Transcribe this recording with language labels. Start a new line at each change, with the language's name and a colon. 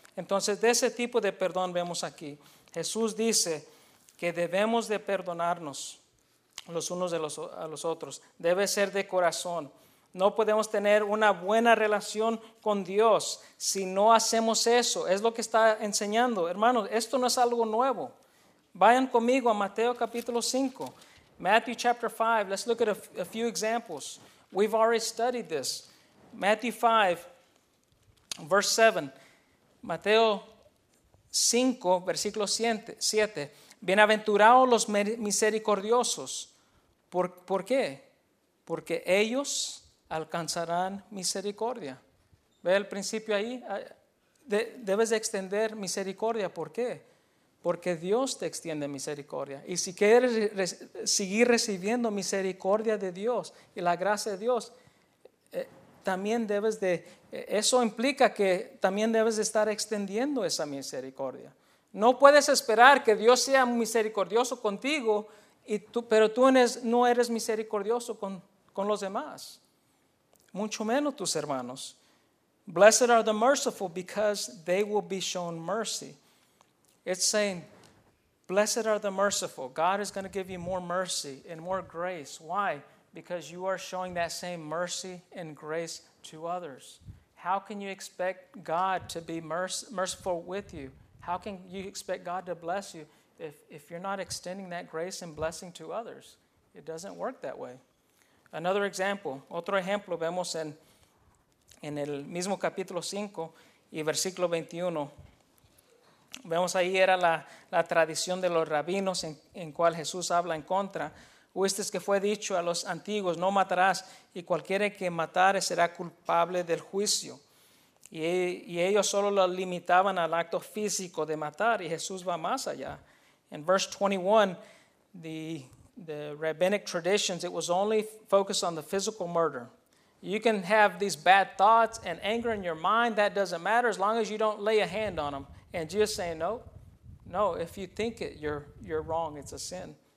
Spanish: Entonces, de ese tipo de perdón vemos aquí. Jesús dice que debemos de perdonarnos los unos a los otros. Debe ser de corazón. No podemos tener una buena relación con Dios si no hacemos eso. Es lo que está enseñando. Hermanos, esto no es algo nuevo. Vayan conmigo a Mateo capítulo 5.
English: Matthew chapter 5. Let's look at a few examples. We've already studied this. Matthew 5, verse 7.
Spanish: Mateo 5, versículo 7. Bienaventurados los misericordiosos. ¿Por qué? Porque ellos alcanzarán misericordia. ¿Ve el principio ahí? Debes de extender misericordia. ¿Por qué? Porque Dios te extiende misericordia. Y si quieres seguir recibiendo misericordia de Dios y la gracia de Dios, también debes de, eso implica que también debes de estar extendiendo esa misericordia. No puedes esperar que Dios sea misericordioso contigo, pero tú no eres misericordioso con los demás, mucho menos tus hermanos.
English: Blessed are the merciful because they will be shown mercy. It's saying, blessed are the merciful. God is going to give you more mercy and more grace. Why? Because you are showing that same mercy and grace to others. How can you expect God to be merciful with you? How can you expect God to bless you if you're not extending that grace and blessing to others? It doesn't work that way. Another example,
Spanish: otro ejemplo, vemos en el mismo capítulo 5 y versículo 21. Vemos ahí era la tradición de los rabinos en cual Jesús habla en contra. Oíste que fue dicho a los antiguos, no matarás, y cualquiera que matare será culpable del juicio. Y ellos solo lo limitaban al acto físico de matar, y Jesús va más allá.
English: En verse 21, the rabbinic traditions, it was only focused on the physical murder. You can have these bad thoughts and anger in your mind, that doesn't matter as long as you don't lay a hand on them. And Jesus saying, no, if you think it, you're wrong, it's a sin.